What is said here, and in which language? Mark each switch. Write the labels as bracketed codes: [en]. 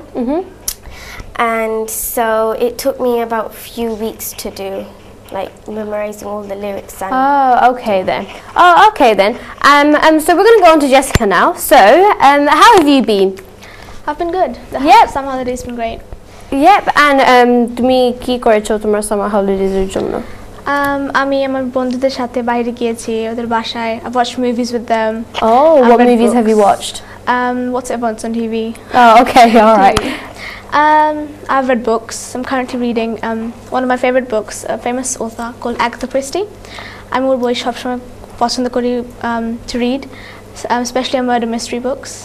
[en] Mm-hmm. And so it took me about a few weeks to do, like memorizing all the lyrics. And Okay then. So we're gonna go on to Jessica now. So how have you been? I've been good. Yep. Summer holiday's been great. Yep, and [bn] তুমি কি করেছো তোমার summer হলিডেজের জন্য? আমি আমার বন্ধুদের সাথে বাইরে গিয়েছি ওদের বাসায়. [en] I watched movies with them. Oh, what movies books. Have you watched? What's it once on TV? Oh, okay, all right. I've read books. I'm currently reading one of my favorite books, a famous author called Agatha Christie. I'm more boyish, I'm watching the curry to read. Especially on murder mystery books.